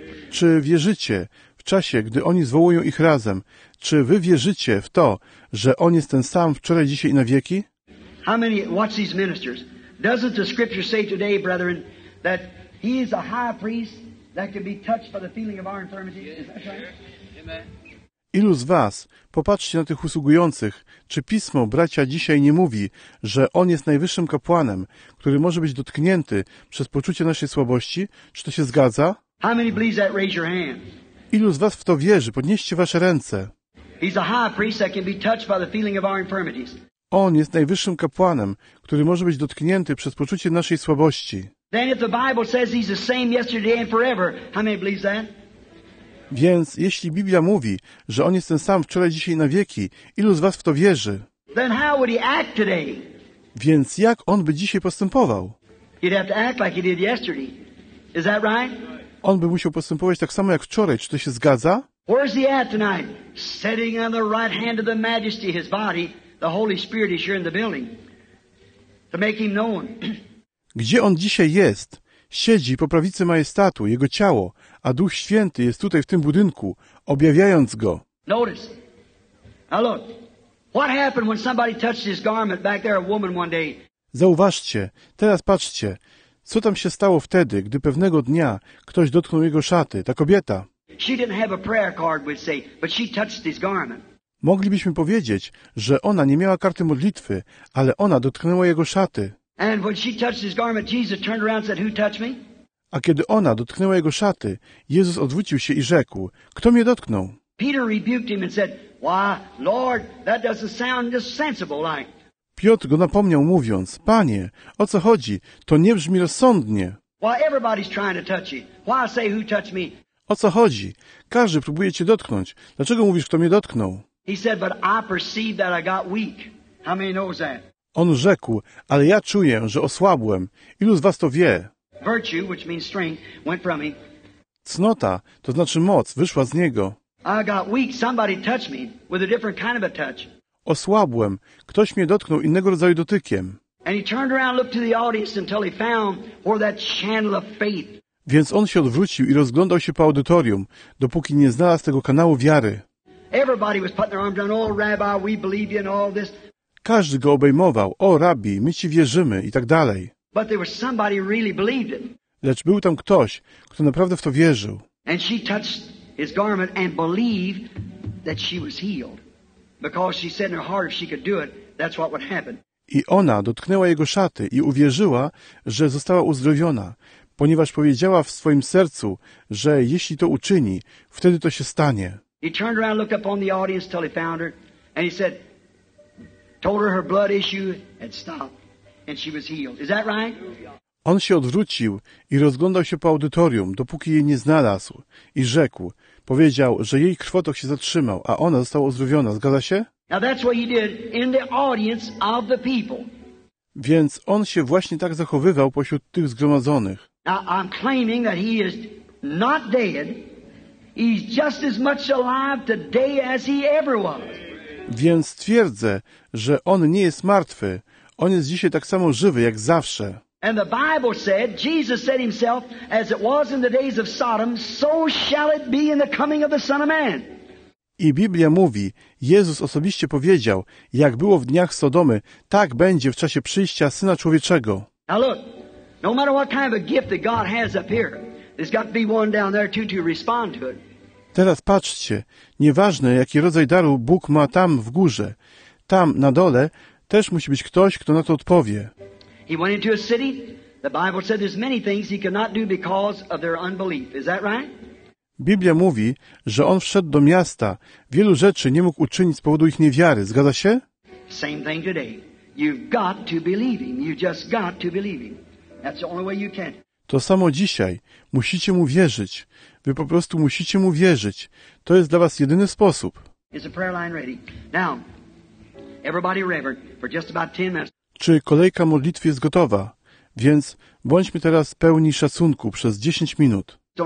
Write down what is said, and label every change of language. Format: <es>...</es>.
<pl>Czy wierzycie w czasie, gdy oni zwołują ich razem? Czy wy wierzycie w to, że on jest ten sam wczoraj, dzisiaj i na wieki?</pl> <en>How many, watch these ministers. Doesn't the scripture say today, brethren, that he is a high priest that can be touched by the feeling of our infirmities? Is that right? Amen.</en> <pl>Ilu z was, popatrzcie na tych usługujących, czy pismo, bracia, dzisiaj nie mówi, że on jest najwyższym kapłanem, który może być dotknięty przez poczucie naszej słabości? Czy to się zgadza?</pl> <en>How many believes that? Raise your hand.</en> <pl>Ilu z was w to wierzy? Podnieście wasze ręce.</pl> <en>He's a high priest that can be touched by the feeling of our infirmities.</en> <pl>On jest najwyższym kapłanem, który może być dotknięty przez poczucie naszej słabości.</pl> <en>Then if the Bible says he's the same yesterday and forever, how many believes that?</en> <pl>Więc jeśli Biblia mówi, że on jest ten sam wczoraj, dzisiaj i na wieki, ilu z was w to wierzy?</pl> <en>Then how would he act today?</en> <pl>Więc jak on by dzisiaj postępował?</pl> <en>He'd have to act like he did yesterday. Is that right?</en> <pl>On by musiał postępować tak samo jak wczoraj. Czy to się zgadza?</pl> <en>Where's he at tonight? Sitting on the right hand of the majesty, his body, the Holy Spirit is here in the building to make him known.</en> <pl>Gdzie on dzisiaj jest? Siedzi po prawicy majestatu, jego ciało, a Duch Święty jest tutaj w tym budynku, objawiając go.</pl> <en>Notice. Now look. What happened when somebody touched his garment back there, a woman one day?</en> <pl>Zauważcie, teraz patrzcie, co tam się stało wtedy, gdy pewnego dnia ktoś dotknął jego szaty, ta kobieta.</pl> <en>She didn't have a prayer card, we'd say, but she touched his garment.</en> <pl>Moglibyśmy powiedzieć, że ona nie miała karty modlitwy, ale ona dotknęła jego szaty.</pl> <en>And when she touched his garment, Jesus turned around and said, "Who touched me?"</en> <pl>A kiedy ona dotknęła jego szaty, Jezus odwrócił się i rzekł: "Kto mnie dotknął?"</pl> <en>Peter rebuked him and said, "Why, Lord, that doesn't sound just sensible like."</en> <pl>Piotr go napomniał mówiąc: "Panie, o co chodzi? To nie brzmi rozsądnie."</pl> <en>"Why everybody's trying to touch you? Why say who touched me?"</en> <pl>O co chodzi? Każdy próbuje cię dotknąć. Dlaczego mówisz, kto mnie dotknął?</pl> <en>He said, "But I perceive that I got weak." How many knows that?</en> <pl>On rzekł, ale ja czuję, że osłabłem. Ilu z was to wie?</pl> <en>Virtue, which means strength, went from me.</en> <pl>Cnota, to znaczy moc, wyszła z niego.</pl> <en>I got weak. Somebody touched me with a different kind of a touch.</en> <pl>Osłabłem. Ktoś mnie dotknął innego rodzaju dotykiem.</pl> <en>And he turned around, looked to the audience until he found where that channel of faith.</en> <pl>Więc on się odwrócił i rozglądał się po audytorium, dopóki nie znalazł tego kanału wiary.</pl> <en>Everybody was putting their arms down. Oh, Rabbi, we believe you and all this.</en> <pl>Każdy go obejmował. O, rabbi, my ci wierzymy i tak dalej.</pl> <en>But there was somebody really believed it.</en> <pl>Lecz był tam ktoś, kto naprawdę w to wierzył.</pl> <en>And she touched his garment and believed that she was healed. Because she said in her heart, if she could do it, that's what would happen.</en> <pl>I ona dotknęła jego szaty i uwierzyła, że została uzdrowiona, ponieważ powiedziała w swoim sercu, że jeśli to uczyni, wtedy to się stanie.</pl> <en>He turned around, looked up on the audience till he found her, and he said, told her her blood issue had stopped. and she was healed. Is that right?</en> <pl>On się odwrócił i rozglądał się po audytorium, dopóki jej nie znalazł, i rzekł, powiedział, że jej krwotok się zatrzymał, a ona została uzdrowiona. Zgadza się?</pl> <en>Now that's what he did in the audience of the people.</en> <pl>Więc on się właśnie tak zachowywał pośród tych zgromadzonych.</pl> <en>Now I'm claiming that he is not dead. He's just as much alive today as he ever was.</en> <pl>Więc twierdzę, że on nie jest martwy. On jest dzisiaj tak samo żywy jak zawsze.</pl> <en>And the Bible said, Jesus said himself, as it was in the days of Sodom, so shall it be in the coming of the Son of Man.</en> <pl>I Biblia mówi, Jezus osobiście powiedział, jak było w dniach Sodomy, tak będzie w czasie przyjścia Syna Człowieczego.</pl> <en>Now look, no matter what kind of a gift that God has up here, there's got to be one down there too to respond to it.</en> <pl>Teraz patrzcie, nieważne jaki rodzaj daru Bóg ma tam w górze, tam na dole też musi być ktoś, kto na to odpowie.</pl> <en>He went into a city, the Bible said there's many things he could not do because of their unbelief. Is that right?</en> <pl>Biblia mówi, że on wszedł do miasta, wielu rzeczy nie mógł uczynić z powodu ich niewiary. Zgadza się?</pl> <en>Same thing today. You've got to believe him. You just got to believe him. That's the only way you can.</en> <pl>To samo dzisiaj. Musicie mu wierzyć. Wy po prostu musicie mu wierzyć. To jest dla was jedyny sposób.</pl> <en>Is the prayer line ready? Now, everybody reverent for just about 10 minutes.</en> <pl>Czy kolejka modlitwy jest gotowa? Więc bądźmy teraz pełni szacunku przez 10 minut.</pl>